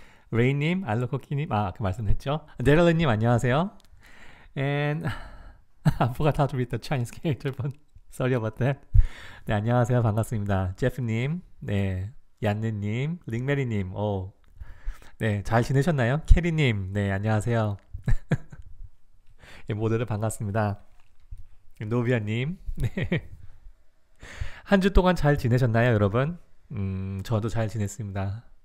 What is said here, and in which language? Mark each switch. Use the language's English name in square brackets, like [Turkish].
[Korean] 레이님, 알로코키님, 그 말씀했죠. 데럴리님, 안녕하세요. [English] And I forgot how to read the Chinese character, but sorry about that. [Korean] 네, 안녕하세요. 반갑습니다. 제프님, 네, 얀느님, 링메리님, 오. 네, 잘 지내셨나요? 캐리님, 네, 안녕하세요. 예, 모두들 반갑습니다. 노비아님, 네. 한주 동안 잘 지내셨나요, 여러분? 저도 잘 지냈습니다.